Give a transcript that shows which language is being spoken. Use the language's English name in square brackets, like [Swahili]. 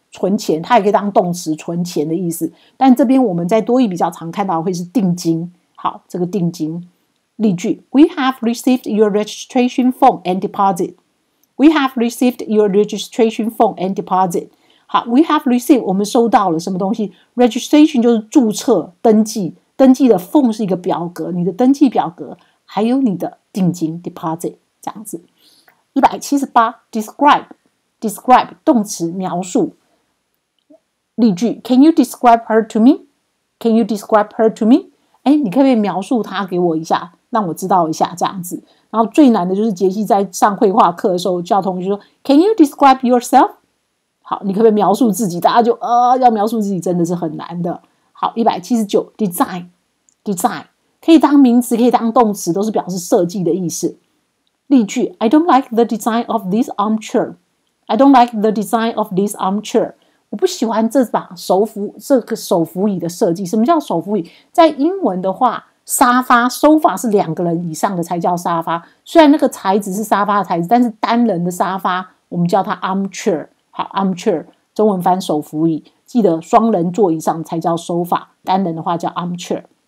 [Chinese] 存钱，它也可以当动词存钱的意思，但这边我们在多益比较常看到会是定金。好，这个定金例句 [English] We have received your registration form and deposit. We have received your registration form and deposit. [Chinese] 好 ， [English] We have received [Chinese] 我们收到了什么东西 ？Registration 就是注册登记，登记的 form 是一个表格，你的登记表格，还有你的定金 deposit 这样子。 178 describe 动词描述。例句 [English] ，Can you describe her to me? Can you describe her to me? [Chinese] 哎，你可不可以描述她给我一下，让我知道一下这样子。然后最难的就是杰西在上绘画课的时候，叫同学说 ， [English] Can you describe yourself? [Chinese] 好，你可不可以描述自己？大家就要描述自己真的是很难的。好， 179 design 可以当名词，可以当动词，都是表示设计的意思。例句 [English] ，I don't like the design of this armchair. I don't like the design of this armchair. [Chinese] 我不喜欢这把手扶这个手扶椅的设计。什么叫手扶椅？在英文的话，沙发 sofa 是两个人以上的才叫沙发。虽然那个材质是沙发的材质，但是单人的沙发我们叫它 armchair。好 ，armchair 中文翻手扶椅。记得双人座椅上才叫 sofa， 单人的话叫 armchair。